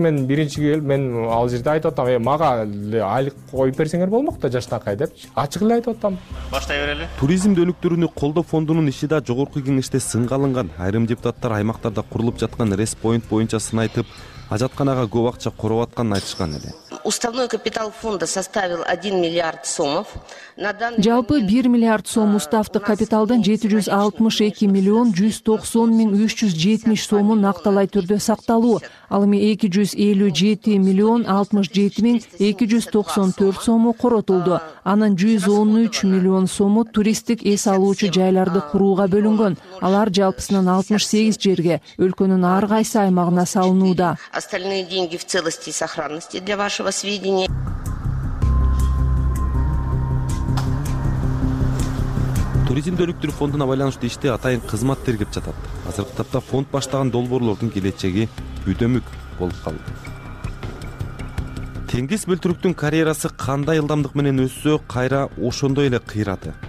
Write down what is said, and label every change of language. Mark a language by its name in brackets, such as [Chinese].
[Kyrgyz] Мен биринчи келип, мен ал жерде айтып атам, мага айлык коюп берсеңер болмок да жаштакай деп ачык эле айтып атам. Баштай берели. Туризм дөнүктүрүүнү колдоо фондунун иши да жогорку кеңеште сынга алынган. Айрым депутаттар аймактарда курулуп жаткан респойнт боюнча сын айтып, ажатканага көп акча короп атканын айтышкан эле. [Russian] Уставной капитал фонда составил 1 миллиард сомов. [Kyrgyz] Жалпы 1 миллиард сом уставтык капиталдын 762 миллион 190 миң 370 сому накталай түрдө сакталуу. Ал эми 257 миллион 67 миң 294 сому коротулду. Анын 113 миллион сому туристтик эс алуучу жайларды курууга бөлүнгөн. Алар жалпысынан 68 жерге өлкөнүн ар кайсы аймагына салынууда. [Russian] Остальные деньги в целости и сохранности для вашего сведения. [Kyrgyz] Туризм дөнүктүрүү фондуна байланыштуу иште атайын кызмат тергеп жатат. Азыркы тапта фонд баштаган долбоорлордун келечеги бүдөмүк болуп калды. Теңиз бөлтүрүктүн карьерасы кандай ылдамдык менен өссө, кайра ошондой эле кыйрады.